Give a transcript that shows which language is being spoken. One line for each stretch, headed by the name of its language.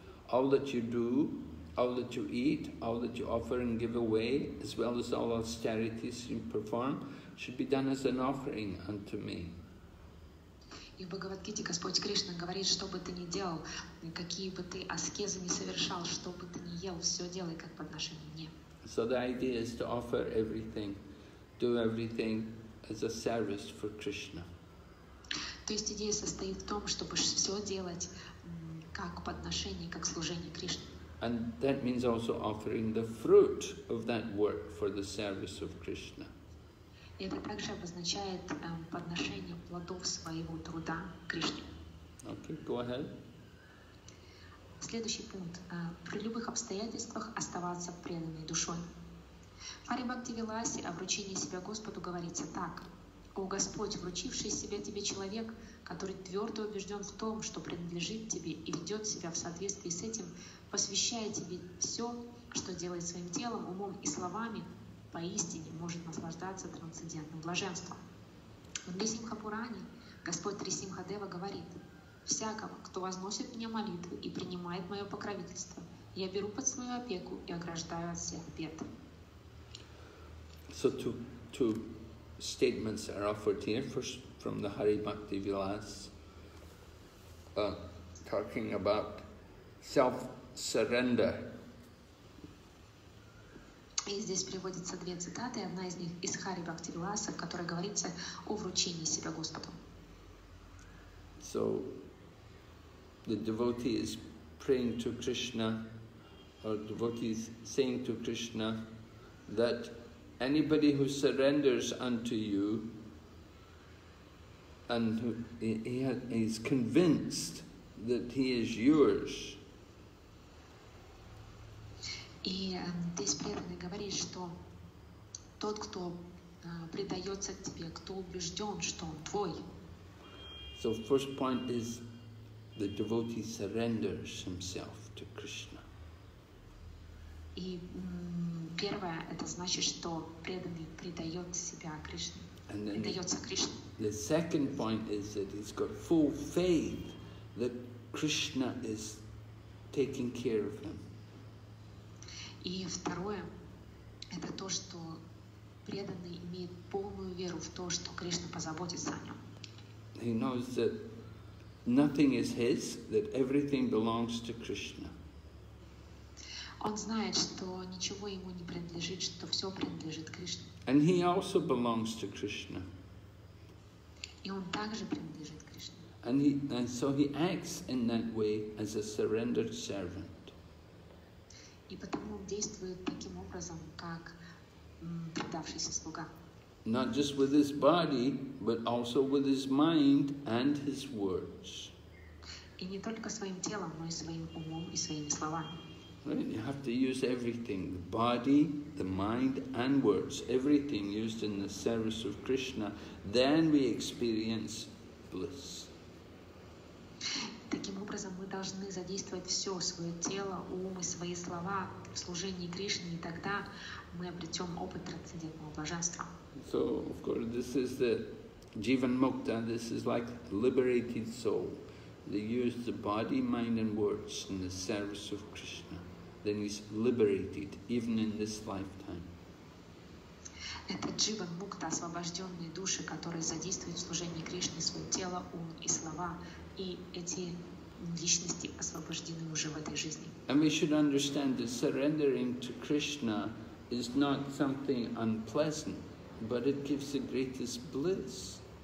English: All that you do, all that you eat, all that you offer and give away, as well as all austerities you perform, should be done as an offering unto me.
Russian: И в Бхагавадгите Господь Кришна говорит, что бы ты ни делал, какие бы ты аскезы ни совершал, что бы ты ни ел, все делай как по отношению мне.
English: So the idea is to offer everything, do everything as a service for Krishna.
Russian: То есть идея состоит в том, чтобы все делать как по отношению, как служение Кришне.
English: And that means also offering the fruit of that work for the service of Krishna.
Russian: Это также обозначает подношение плодов своего труда Кришне.
English: Okay, go ahead.
Russian: Следующий пункт. При любых обстоятельствах оставаться преданной душой. В Хари Бхакти Виласе обручение себя Господу говорится так. «О Господь, вручивший себя Тебе человек, который твердо убежден в том, что принадлежит Тебе и ведет себя в соответствии с этим, посвящая Тебе все, что делает своим телом, умом и словами, поистине может наслаждаться трансцендентным блаженством». В Нрисимха Пуране Господь Трисимха Дева говорит, Всякого, кто возносит мне молитву и принимает мое покровительство, я беру под свою опеку и ограждаю от всех бед.
English: So two statements are offered here. First from the Hari Bhakti Vilas, talking about self-surrender.
Russian: И здесь приводятся две цитаты, одна из них из Хари Бхакти Виласа, в которой говорится о вручении себя Господу.
English: So, the devotee is praying to Krishna, or devotee is saying to Krishna that anybody who surrenders unto you, and who he's convinced that he is yours.
Russian: И здесь преданный говорит, что тот, кто предается тебе, кто убежден, что он твой.
English: So first point is the devotee surrenders himself to Krishna.
Russian: И первое, это значит, что преданный предает себя Кришне.
English: And then
Russian: предается Кришне.
English: The second point is that he's got full faith that Krishna is taking care of him.
Russian: И второе, это то, что преданный имеет полную веру в то, что Кришна позаботится о нем.
English: He knows that nothing is his, that everything belongs to Krishna.
Russian: Он знает, что ничего ему не принадлежит, что все принадлежит Кришне.
English: And he also belongs to Krishna.
Russian: И он также принадлежит Кришне.
English: And so he acts in that way as a surrendered servant.
Russian: И потому он действует таким образом, как предавшийся слуга.
English: Not just with his body, but also with his mind and his words.
Russian: И не только своим телом, но и своим умом и своими словами.
English: Right? You have to use everything, the body, the mind and words, everything used in the service of Krishna, then we experience bliss.
Russian: Таким образом, мы должны задействовать все, свое тело, ум и свои слова в служении Кришне, и тогда мы обретем опыт трансцендентного блаженства.
English: So, of course, this is the Jivan Mukta, this is like liberated soul. They use the body, mind and words in the service of Krishna. Then he's liberated, even in this lifetime.
Russian: Это Jivan Mukta, освобожденные души, которые задействуют в служении Кришне свое тело, ум и слова. И эти личности освобождены уже в этой жизни.
English: And we should understand that surrendering to Krishna is not something unpleasant, but it gives the greatest bliss.